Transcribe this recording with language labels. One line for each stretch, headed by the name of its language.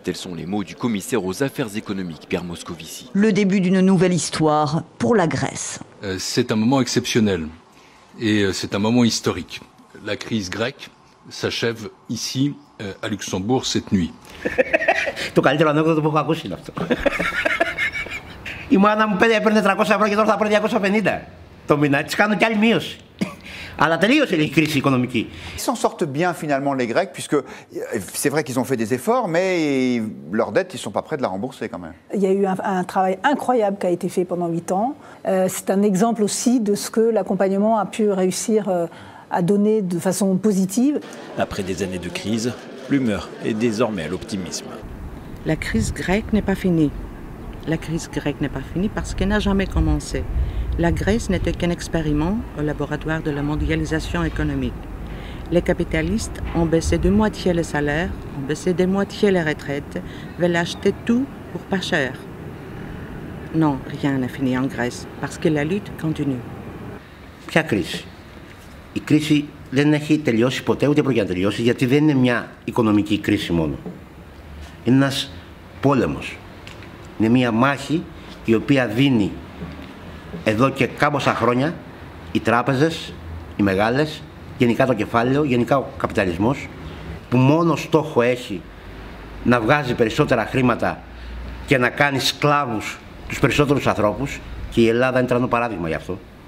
French: Tels sont les mots du commissaire aux affaires économiques, Pierre Moscovici. Le début d'une nouvelle histoire pour la Grèce. C'est un moment exceptionnel et c'est un moment historique. La crise grecque s'achève ici à Luxembourg cette nuit.
Greek: Το καλύτερο ανέκδοτο που έχω ακούσει είναι αυτό. Η μάνα μου πέντε έπαιρνε 300 ευρώ και τώρα θα πάρει 250. Το μήνα της κάνω κι άλλη μείωση. Αλλά τελείωσε η κρίση οικονομική.
French: Ils s'en sortent bien finalement les Grecs, puisque c'est vrai qu'ils ont fait des efforts, mais leurs dettes, ils ne sont pas prêts de la rembourser quand même. Il y a eu un travail incroyable qui a été fait pendant 8 ans. C'est un exemple aussi de ce que l'accompagnement a pu réussir à donner de façon positive. Après des années de crise, l'humeur est désormais à l'optimisme. La crise grecque n'est pas finie. La crise grecque n'est pas finie parce qu'elle n'a jamais commencé. La Grèce n'était qu'un expériment au laboratoire de la mondialisation économique. Les capitalistes ont baissé de moitié les salaires, ont baissé de moitié les retraites, veulent acheter tout pour pas cher. Non, rien n'est fini en Grèce parce que la lutte continue.
Greek: Ποια κρίση? Η κρίση δεν έχει τελειώσει ποτέ, ούτε πρόκειται να τελειώσει, γιατί δεν είναι μια οικονομική κρίση μόνο. Είναι ένας πόλεμος. Είναι μια μάχη η οποία δίνει εδώ και κάμποσα χρόνια οι τράπεζες, οι μεγάλες, γενικά το κεφάλαιο, γενικά ο καπιταλισμός, που μόνο στόχο έχει να βγάζει περισσότερα χρήματα και να κάνει σκλάβους τους περισσότερους ανθρώπους, και η Ελλάδα είναι τρανό παράδειγμα γι' αυτό.